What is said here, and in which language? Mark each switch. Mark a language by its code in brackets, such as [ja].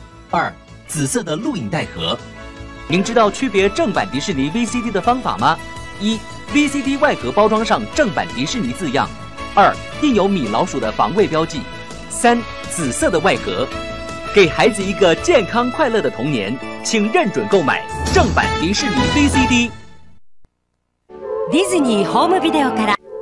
[en] Two, [zh] 紫色的录影带盒. 您知道区别正版迪士尼 VCD 的方法吗？ 一, VCD 外盒包装上正版迪士尼字样。二，印有米老鼠的防卫标记。三，紫色的外盒，给孩子一个健康快乐的童年，请认准购买正版迪士尼 VCD。 [ja] ディズニーホームビデオから。